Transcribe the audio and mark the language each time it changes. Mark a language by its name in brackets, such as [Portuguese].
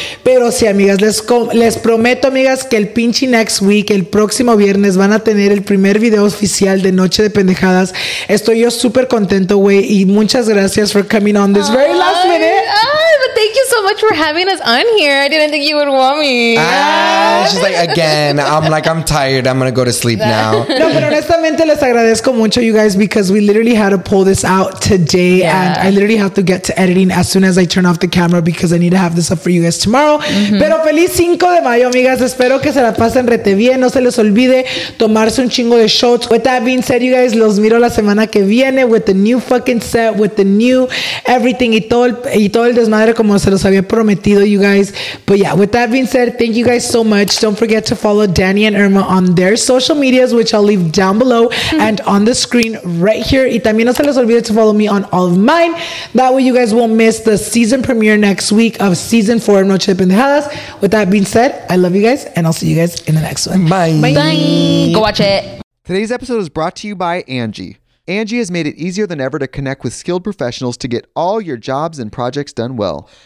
[Spanish] Pero sí, amigas, les prometo, amigas, que el pinche [English] next week, [Spanish] el próximo viernes, van a tener el primer video oficial de Noche de Pendejadas. Estoy yo súper contento, güey. Y muchas gracias [English] for coming on this very last minute. But thank you so much for having us on here. I didn't think you would want me. She's like, again, I'm tired. I'm going to go to sleep now. [Spanish] No, pero honestamente les agradezco mucho, [English] you guys, because we literally had to pull this out today. Yeah. And I literally have to get to editing as soon as I turn off the camera because I need to have this up for you guys tomorrow. [Spanish] Mm-hmm. Pero feliz 5 de mayo, amigas. Espero que se la pasen rete bien. No se les olvide tomarse un chingo de shots. [English] With that being said, you guys, [Spanish] los miro la semana que viene [English] with the new fucking set, with the new everything [Spanish] y todo el desmadre como se los había prometido, you guys. [English] But yeah, with that being said, thank you guys so much. Don't forget to follow Danny and Irma on their social medias, which I'll leave down below and on the screen right here. [Spanish] Y también no se les olvide [English] to follow me on all of mine. That way you guys won't miss the season premiere next week of season 4 of Noche de Pendejadas. With that being said, I love you guys and I'll see you guys in the next one. Bye. Go watch it. Today's episode is brought to you by Angie. Angie has made it easier than ever to connect with skilled professionals to get all your jobs and projects done well.